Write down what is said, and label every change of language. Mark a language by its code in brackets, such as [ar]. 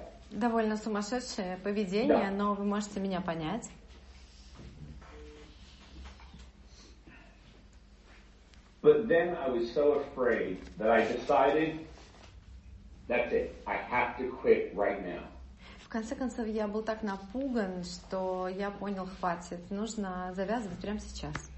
[ru] Довольно сумасшедшее поведение, [en] yeah. [ru] Но вы можете меня понять. [en] But then I was so afraid that I decided, that's it, I have to quit right now. [ru] В конце концов, я был так напуган, что я понял, хватит, нужно завязывать прямо сейчас.